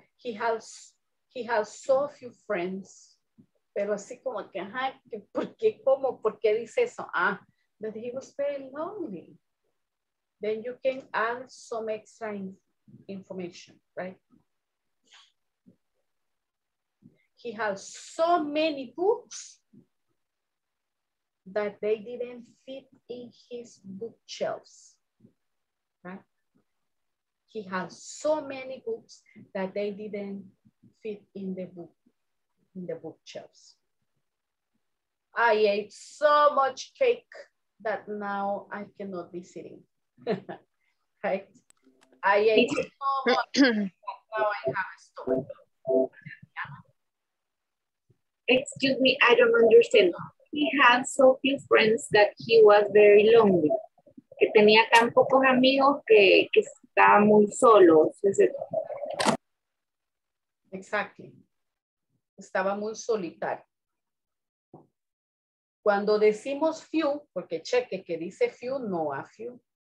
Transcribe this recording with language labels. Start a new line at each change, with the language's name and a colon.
English: He has so few friends.
Spanish: Pero así como que, ajá, ¿por qué, cómo, por qué dice eso?
English: Ah, but he was very lonely. Then you can add some extra information, right? He has so many books that they didn't fit in his bookshelves, right? He has so many books that they didn't fit in the book. In the bookshelves. I ate so much cake that now I cannot be sitting. Right? I ate so much cake that now I have a stomach. Excuse me, I don't understand. He had so few friends that he was very lonely.
Spanish: Que tenía tan pocos amigos que estaba muy solo. Exactly. Estaba muy solitario. Cuando decimos few, porque cheque que dice few, no a few.